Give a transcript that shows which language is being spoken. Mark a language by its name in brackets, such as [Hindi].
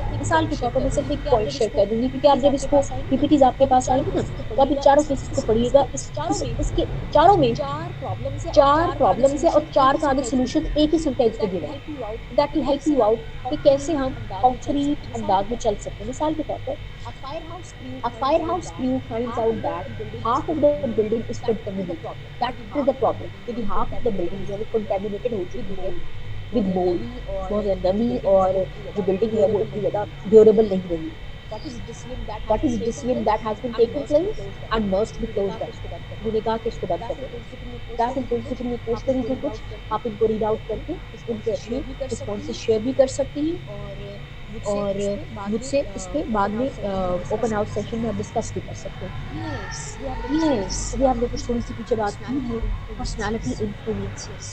[Urdu] مثال کے طور پر میں صرف ایک پوائنٹ شیئر کر دوں گی, کیونکہ آپ جب اس کو پی پی ٹیز آپ کے پاس آئیں گے نا تو آپ ان چاروں کیسز کو پڑھیے گا. اس کے چاروں میں چار پرابلمس ہیں اور چار کا آگے سولوشن ایک ہی سینٹینس کو دینا ہے. [English] that will help you out [Urdu] کہ کیسے ہم کنکریٹ انداز میں چل سکتے ہیں. مثال کے طور پر [English] A firehouse crew finds out that half of the building is contaminated. That is the problem. If half of the building is contaminated with mold, or the dummy, or the building is not durable. That is a decision that has been taken place and must be closed down. [Urdu] انہوں نے کہا کہ اس کو بند کرو. [English] That is principle. [Urdu] میں post کروں گی کچھ, آپ ان کو ریڈ آؤٹ کر کے ان کے اپنے رسپانسز شیئر بھی کر سکتی ہیں اور مجھ سے اس پہ بعد میں اوپن ہاؤس سیشن میں آپ ڈسکس بھی کر سکتے ہیں. یہ آپ نے کچھ تھوڑی سی پیچھے بات کی ہے پرسنالٹی انفلوئنس.